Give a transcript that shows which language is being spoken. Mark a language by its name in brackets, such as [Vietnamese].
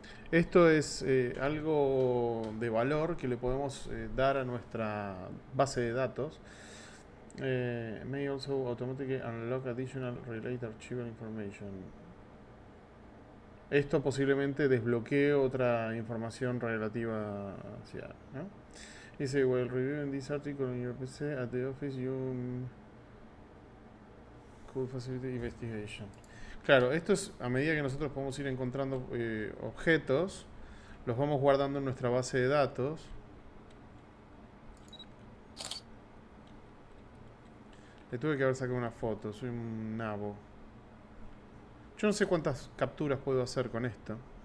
[Spanish] Esto es algo de valor que le podemos dar a nuestra base de datos. [English] May also automatically unlock additional related archival information. [Spanish] Esto posiblemente desbloquee otra información relativa hacia, ¿no? Dice, [English] while reviewing this article in your PC at the office, you could facilitate investigation. [Spanish] Claro, esto es a medida que nosotros podemos ir encontrando objetos, los vamos guardando en nuestra base de datos. Le tuve que haber sacado una foto, soy un nabo. Yo no sé cuántas capturas puedo hacer con esto.